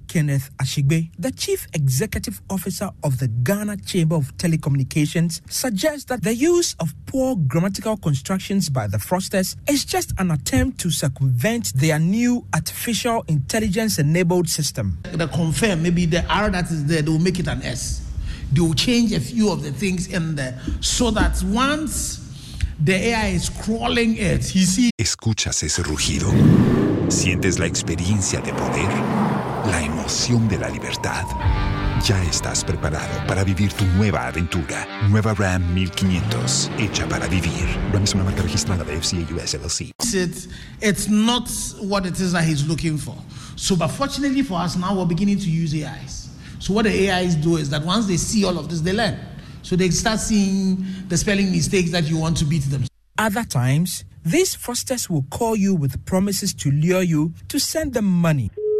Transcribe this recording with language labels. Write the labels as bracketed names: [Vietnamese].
[English] Kenneth Ashigbe, the Chief Executive Officer of the Ghana Chamber of Telecommunications, suggests that the use of poor grammatical constructions by the fraudsters is just an attempt to circumvent their new artificial intelligence-enabled system. The confirm, maybe the R that is there, they will make it an S. They will change a few of the things in there so that once the AI is crawling it, you see... [Spanish] ¿Escuchas ese rugido? ¿Sientes la experiencia de poder? ¿La emoción de la libertad? Ya estás preparado para vivir tu nueva aventura. Nueva Ram 1500, hecha para vivir. Ram es una marca registrada de FCA US LLC. [English] It's not what it is that he's looking for. So, but fortunately for us, now we're beginning to use AIs. So what the AIs do is that once they see all of this, they learn. So they start seeing the spelling mistakes that you want to beat them. Other times, these fraudsters will call you with promises to lure you to send them money.